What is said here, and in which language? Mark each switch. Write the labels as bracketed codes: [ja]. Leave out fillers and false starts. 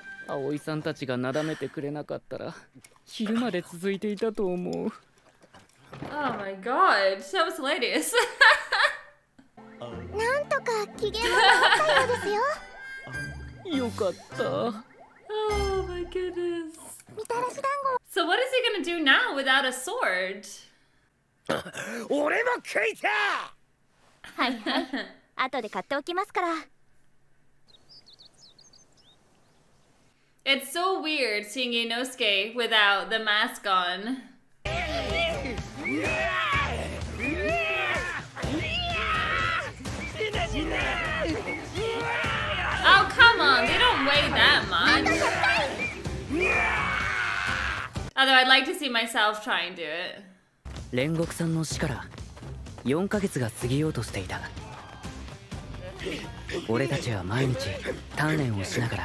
[ja] Aoi-san たちがなだめてくれなかったら、昼まで続いていたと思う。 [en] Oh my God. That was hilarious. [ja] なんとか機嫌を直ったようですよ。よかった。 [en] Oh my goodness. [ja] みたらし団子。 [en] So what is he gonna do now without a sword? [ja] 俺も食いた。はいはい。後で買っておきますから。 [en] It's so weird seeing Inosuke without the mask on. Oh, come on, they don't weigh that much. Although I'd like to see myself try and do it. [ja] 煉獄さんの死から4ヶ月が過ぎようとしていた。俺たちは毎日鍛錬をしながら。